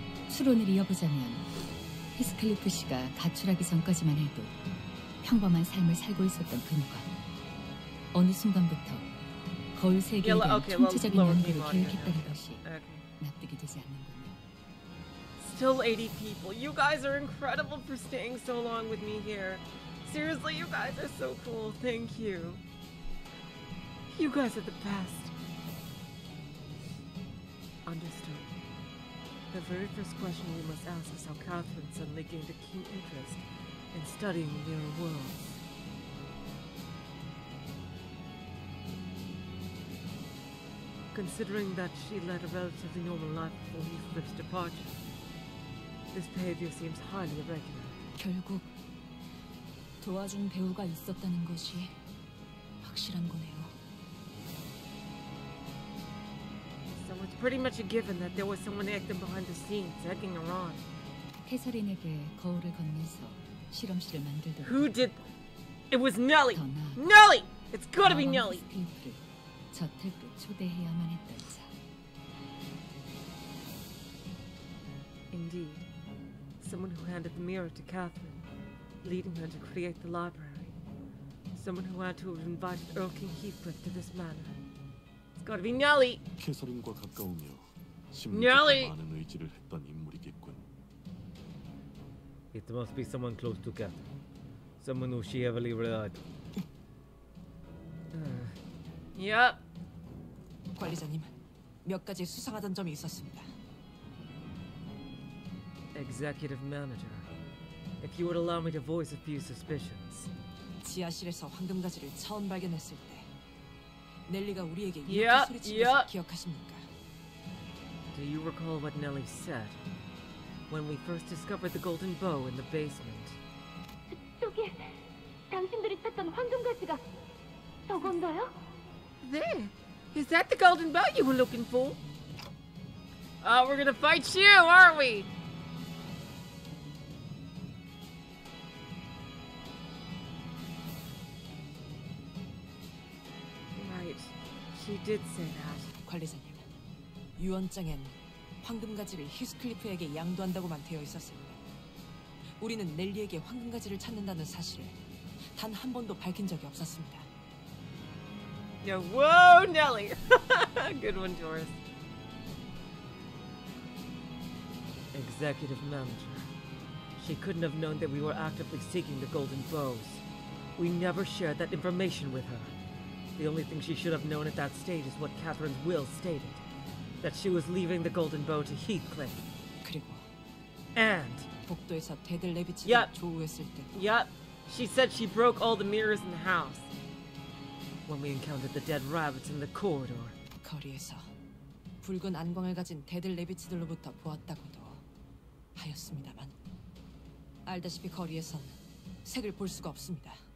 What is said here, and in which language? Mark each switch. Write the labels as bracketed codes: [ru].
[ko] 추론을 이어보자면 히스클리프 씨가 가출하기 전까지만 해도 평범한 삶을 살고 있었던 그녀가 어느 순간부터 거울 세계에 대한 총체적인 연구를 계획했다는 것이 납득이 되지 않는군요. [en] still 80 people. You guys are incredible for staying so long with me here. Seriously, you guys are so cool. Thank you. You guys are the best. Understood. The very first question we must ask is how Catherine suddenly gained a keen interest in studying the mirror world. Considering that she led a relatively normal life before Heathcliff's departure, this behavior seems highly irregular. [ko] 결국 도와준 배우가 있었다는 것이 확실한 거네요. [en] So it's pretty much a given that there was someone acting behind the scenes, egging her on. [ko] 캐서린에게 거울을 건네서 실험실을 만들던. [en] Who did? It was Nelly. Nelly. It's gotta be Nelly. [ko] 저택에 초대해야만 했던 자. [en] Indeed. Someone who handed the mirror to Catherine, leading her to create the library. Someone who had to have invited Erlkonig Heathcliff to this manor. It's gotta be Nelly! [ko] Kesarin과 가까우며 심리적으로 많은 의지를 했던 인물이겠군. [en] It must be someone close to Catherine. Someone who she heavily relied on. Yep. [ko] 관리자님, 몇 가지 수상하던 점이 있었습니다. [en] Executive manager, if you would allow me to voice a few suspicions. [ko] 지하실에서 황금 가지를 처음 발견했을 때 넬리가 우리에게 이렇게 소리친 것을 기억하십니까? [en] Do you recall what Nelly said when we first discovered the golden bow in the basement? 저게 당신들이 찾던 황금 가지가 저건가요? There. Is that the golden bow you were looking for? We're gonna fight you, aren't we? Right. She did say that. [ko] 관리사님, 유언장엔 황금 가지를 히스클리프에게 양도한다고만 되어 있었습니다. 우리는 넬리에게 황금 가지를 찾는다는 사실을 단 한 번도 밝힌 적이 없었습니다. [en] Yo, whoa, Nelly! Good one, Doris. Executive manager. She couldn't have known that we were actively seeking the golden bows. We never shared that information with her. The only thing she should have known at that stage is what Catherine's will stated. That she was leaving the golden bow to Heathcliff. [ko] 그리고... [en] And... [ko] 복도에서 대들 내비치던 조우했을 때... [en] Yep. She said she broke all the mirrors in the house. When we encountered the dead rabbits in the corridor. [ko] 거리에서 붉은 안광을 가진 데들 레비치들로부터 보았다고도 하였습니다만 알다시피 거리에선 색을 볼 수가 없습니다.